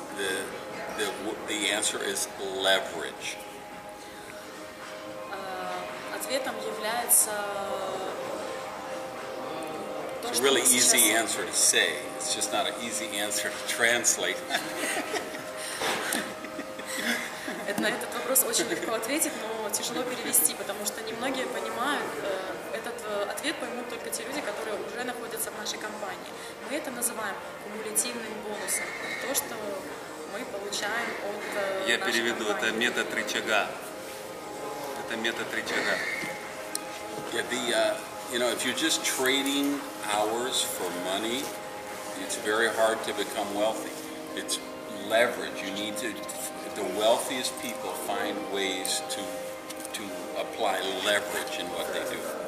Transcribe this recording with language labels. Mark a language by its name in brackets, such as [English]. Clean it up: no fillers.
[English] The answer is leverage. [Russian] Ответом является то, [English] it's a really easy answer to say. It's just not an easy answer to translate. [Russian] На этот вопрос очень легко ответить, но тяжело перевести, потому что немногие понимают, этот ответ поймут только те люди, которые уже находятся в нашей компании. Мы это называем кумулятивным бонусом, то, что мы получаем от нашей компании. Я переведу, это метод рычага. Это метод рычага. [English] Yeah, you know, if you're just trading hours for money, it's very hard to become wealthy. It's leverage. You need to... The wealthiest people find ways to apply leverage in what they do.